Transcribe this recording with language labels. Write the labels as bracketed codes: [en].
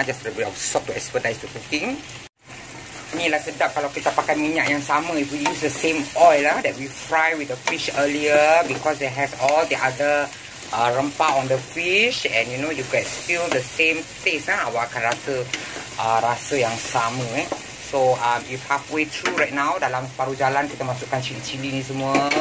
[en] Just a little bit of salt to expedite the cooking. [ms] Inilah sedap kalau kita pakai minyak yang sama. [en] If we use the same oil lah that we fry with the fish earlier, because it has all the other rempah on the fish. And you know, you can feel the same taste lah. [ms] Awak akan rasa rasa yang sama eh. [en] So if halfway through right now, [ms] dalam separuh jalan, kita masukkan cili-cili ni semua.